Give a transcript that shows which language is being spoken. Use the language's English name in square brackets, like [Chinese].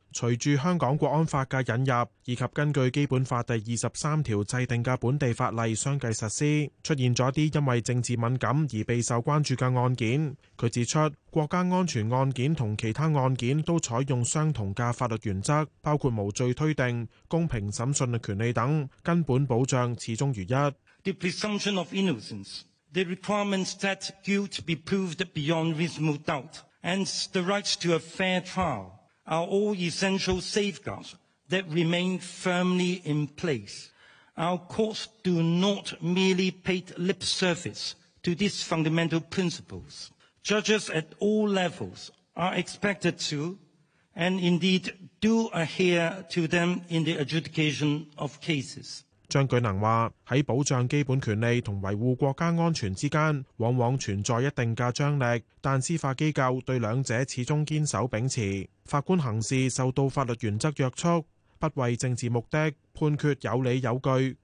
[Cantonese] 随住香港国安法的引入以及根据基本法第23条制定的本地法例相继实施，出现了一些因为政治敏感而备受关注的案件。他指出，国家安全案件和其他案件都采用相同的法律原则，包括无罪推定、公平审讯的权利等，根本保障始终如一。 [English] The presumption of innocence, the requirements that guilt be proved beyond reasonable doubt, and the right to a fair trial. Are all essential safeguards that remain firmly in place. Our courts do not merely pay lip service to these fundamental principles. Judges at all levels are expected to, and indeed do adhere to them in the adjudication of cases. [Cantonese] 张举能说，在保障基本权利和维护国家安全之间往往存在一定的张力，但司法机构对两者始终坚守秉持，法官行事受到法律原则约束，不为政治目的，判决有理有据。